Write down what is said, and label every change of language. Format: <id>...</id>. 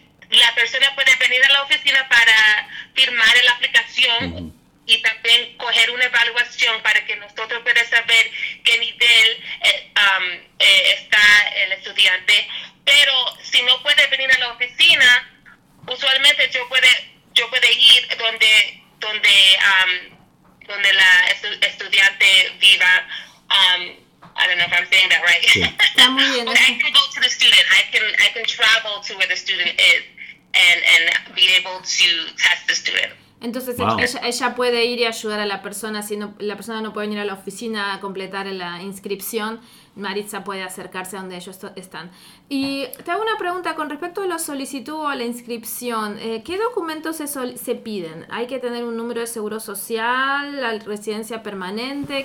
<es>La persona puede venir a la oficina para firmar la aplicación y también coger una evaluación para que nosotros podamos saber qué nivel está el estudiante. Pero si no puede venir a la oficina, usualmente yo puedo ir donde la estudiante viva.</es> <en>I don't know if I'm saying that right. Yeah. I can go to the student. I can travel to where the student is and be able to test the student.</en> <es>Entonces, wow. ella puede ir y ayudar a la persona. Si no, la persona no puede venir a la oficina a completar la inscripción, Maritza puede acercarse a donde ellos están. Y te hago una pregunta con respecto a la solicitud o a la inscripción. ¿Qué documentos se piden? ¿Hay que tener un número de seguro social, la residencia permanente?</es>